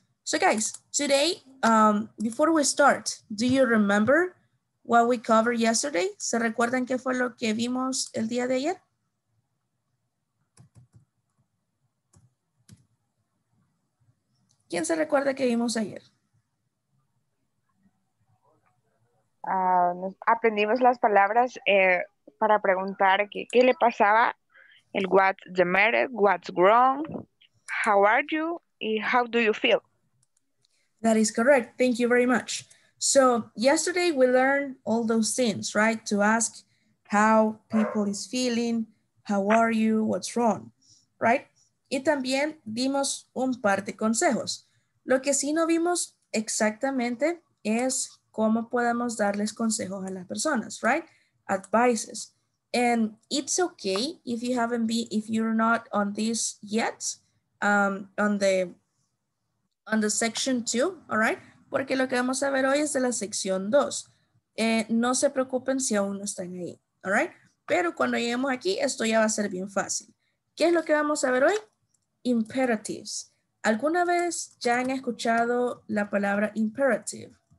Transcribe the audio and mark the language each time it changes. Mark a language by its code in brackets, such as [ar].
[en] So, guys, today, before we start, do you remember what we covered yesterday? [es] ¿Se recuerdan qué fue lo que vimos el día de ayer? ¿Quién se recuerda qué vimos ayer? Aprendimos las palabras para preguntar qué le pasaba, el [en] what's the matter, what's wrong, how are you, [es] y [en] how do you feel. That is correct. Thank you very much. So yesterday we learned all those things, right? To ask how people is feeling, how are you, what's wrong, right? [es] Y también vimos un par de consejos. Lo que sí no vimos exactamente es cómo podemos darles consejos a las personas, right? [en] Advices. And it's okay if you haven't been, if you're not on this yet, on the section 2, all right? [es] Porque lo que vamos a ver hoy es de la sección 2. No se preocupen si aún no están ahí, all right? Pero cuando lleguemos aquí, esto ya va a ser bien fácil. ¿Qué es lo que vamos a ver hoy? Imperatives. ¿Alguna vez ya han escuchado la palabra imperative?